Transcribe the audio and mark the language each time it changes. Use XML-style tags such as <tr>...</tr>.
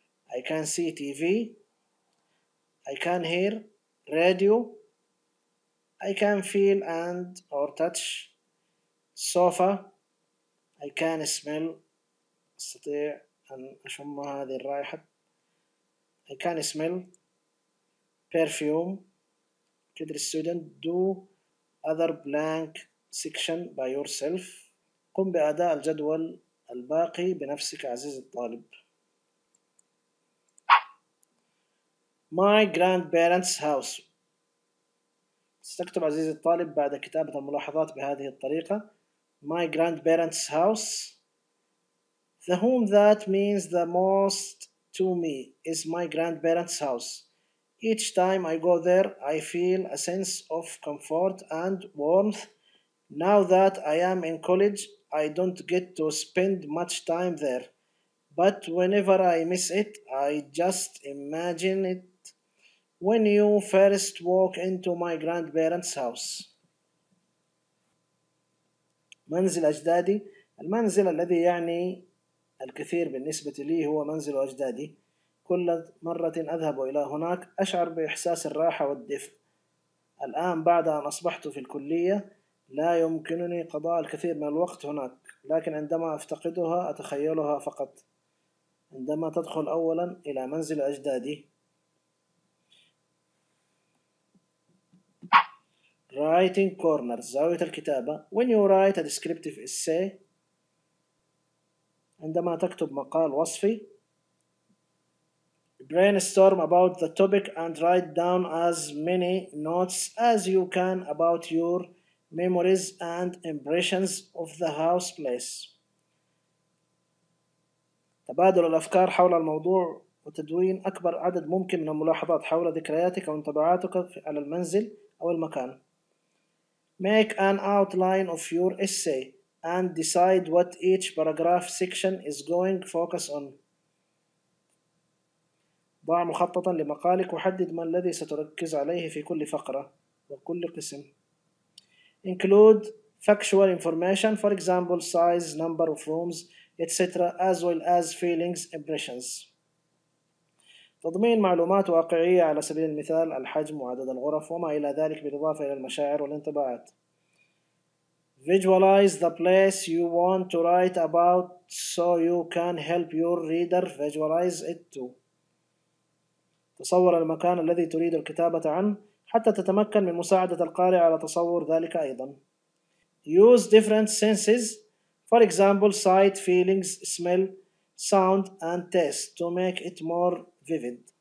<en>I can see TV. I can hear radio. I can feel and or touch sofa. I can smell</en> <ar>استطيع أن أشم هذه الرائحة.</ar> <en>I can smell perfume. Could the student do other blank section by yourself.</en> <ar>قم بأداء الجدول الباقي بنفسك عزيزي الطالب.</ar> <en>My grandparents' house.</en> <ar>ستكتب عزيزي الطالب بعد كتابة الملاحظات بهذه الطريقة.</ar> <en>My grandparents' house. The home that means the most to me is my grandparents' house. Each time I go there, I feel a sense of comfort and warmth. Now that I am in college, I don't get to spend much time there. But whenever I miss it, I just imagine it. When you first walk into my grandparents' house.</en> <ar>منزل أجدادي. المنزل الذي يعني الكثير بالنسبة لي هو منزل أجدادي. كل مرة أذهب إلى هناك أشعر بإحساس الراحة والدفء. الآن بعد أن أصبحت في الكلية لا يمكنني قضاء الكثير من الوقت هناك، لكن عندما أفتقدها أتخيلها فقط. عندما تدخل أولا إلى منزل أجدادي.</ar> <en>Writing corner</en> <ar>زاوية الكتابة.</ar> <en>When you write a descriptive essay</en> <ar>عندما تكتب مقال وصفي.</ar> <en>Brainstorm about the topic and write down as many notes as you can about your memories and impressions of the house place.</en> <ar>تبادل الأفكار حول الموضوع وتدوين أكبر عدد ممكن من الملاحظات حول ذكرياتك وانطباعاتك على المنزل أو المكان.</ar> <en>Make an outline of your essay. and decide what each paragraph section is going focus on.</en> <ar>ضع مخططا لمقالك وحدد ما الذي ستركز عليه في كل فقرة وكل قسم.</ar> <en>Include factual information, for example, size, number of rooms, etc., as well as feelings, impressions.</en> <ar>تضمين معلومات واقعية على سبيل المثال الحجم وعدد الغرف وما إلى ذلك بالإضافة إلى المشاعر والانطباعات.</ar> <en>Visualize the place you want to write about so you can help your reader visualize it too.</en> <ar>تصور المكان الذي تريد الكتابة عنه حتى تتمكن من مساعدة القارئ على تصور ذلك أيضا.</ar> <en>Use different senses, for example, sight, feelings, smell, sound, and taste to make it more vivid.</en>